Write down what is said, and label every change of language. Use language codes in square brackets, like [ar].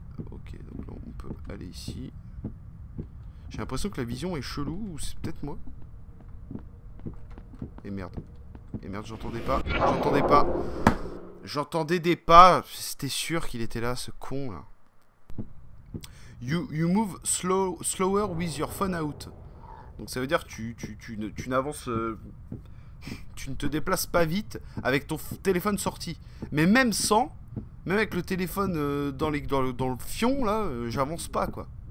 [fr] Ok, donc là on peut aller ici. J'ai l'impression que la vision est chelou, ou c'est peut-être moi. Et merde. Et merde, j'entendais pas. J'entendais pas. J'entendais des pas. C'était sûr qu'il était là, ce con là. [en] You move slower with your phone out. [fr] Donc ça veut dire que tu n'avances. Tu ne te déplaces pas vite avec ton téléphone sorti. Mais même sans. Même avec le téléphone dans le fion, là, j'avance pas, quoi.